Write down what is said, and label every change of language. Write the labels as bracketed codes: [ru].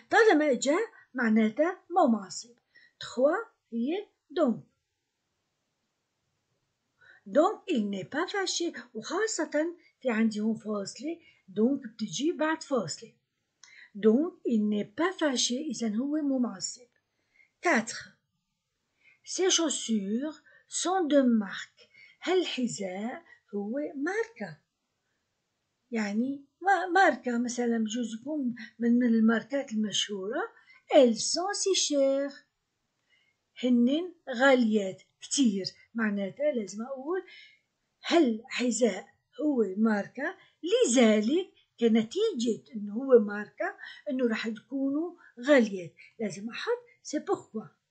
[ar] طالما إجا معناتها مو معصب. 3 هي donc. [fr] Donc il n'est pas fâché. [ar] وخاصة في عندي هون فاصلة، donc بتجي بعد فاصلة. [fr] Donc il n'est pas fâché. [ar] إذن هو مو معصب. [fr] 4 ses chaussures sont de marque. [ar] هالحذاء هو ماركة، يعني ماركة مثلا بجوز يكون من الماركات المشهورة. [fr] Elles sont si chères. [ar] هنن غاليات كتير. معناتها لازم أقول هل حذاء هو ماركة، لذلك كنتيجة إنه هو ماركة إنه راح تكونوا غالية، لازم أحط سي بوكوا.